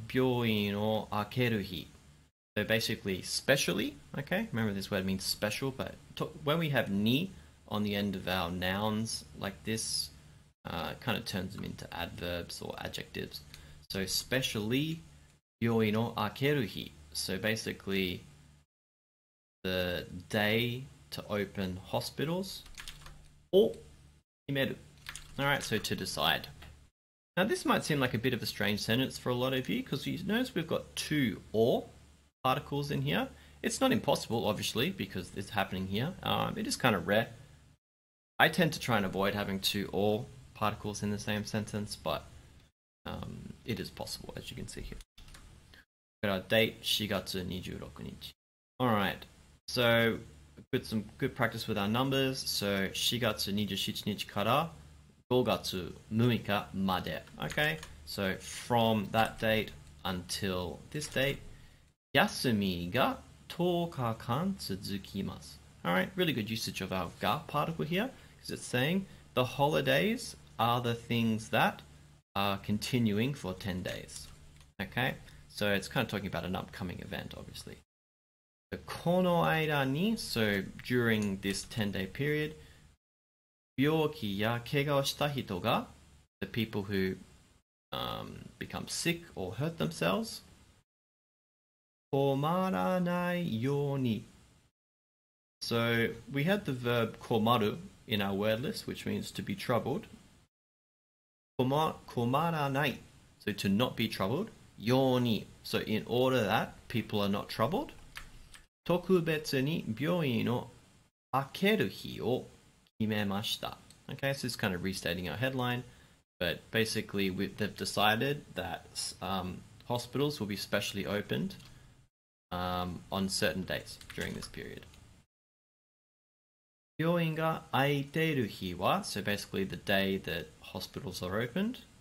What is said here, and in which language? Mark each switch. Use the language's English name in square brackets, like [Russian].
[Japanese] 特別に病院を開ける日. [English] So basically, specially, okay? Remember this word means special, but when we have ni on the end of our nouns like this kind of turns them into adverbs or adjectives. So, specially, [Japanese] 病院を開ける日. [English] So, basically, the day to open hospitals. Or, [Japanese] 決める. [English] Alright, so to decide. Now, this might seem like a bit of a strange sentence for a lot of you, because you notice we've got two or particles in here. It's not impossible, obviously, because it's happening here. It is kind of rare. I tend to try and avoid having two or particles in the same sentence, but it is possible, as you can see here. We've got our date, [Japanese] 4月 26日. [English] Alright, so put some good practice with our numbers. [Japanese] So, 4月 27日から5月6日まで. [English] Okay, so from that date until this date, [Japanese] 休みが10日間続きます. [English] Alright, really good usage of our が particle here, because it's saying the holidays are the things that are continuing for 10 days. Okay, so it's kind of talking about an upcoming event, obviously. The [Japanese] この間に, [English] so during this 10-day period, [Japanese] 病気や怪我をした人が, [English] the people who become sick or hurt themselves, [Japanese] 困らないように. [English] So we had the verb 困る in our word list, which means to be troubled. [Japanese] 困らない. [English] So to not be troubled. [Japanese] ように. [English] So in order that people are not troubled. [Japanese] 特別に病院を開ける日を決めました. [English] Okay, so it's kind of restating our headline. But basically they've decided that hospitals will be specially opened on certain dates during this period. [Japanese] 病院が開いている日は, [English] so basically the day that hospitals are opened.